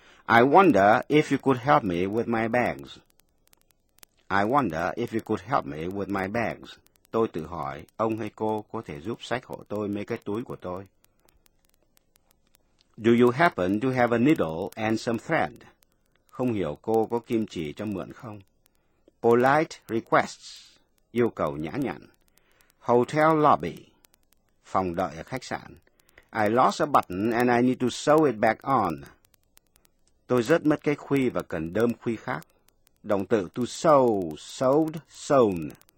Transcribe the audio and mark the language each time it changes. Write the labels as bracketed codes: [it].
[en] I wonder if you could help me with my bags. I wonder if you could help me with my bags. [vi] Tôi tự hỏi, ông hay cô có thể giúp xách hộ tôi mấy cái túi của tôi. [en] Do you happen to have a needle and some thread? [vi] Không hiểu cô có kim chỉ cho mượn không? [en] Polite requests, [vi] yêu cầu nhã nhặn. [en] Hotel lobby, [vi] phòng đợi ở khách sạn. [en] I lost a button and I need to sew it back on. [vi] Tôi rớt mất cái khuy và cần đơm khuy khác. Động từ [en] to sew, sewed, sewn.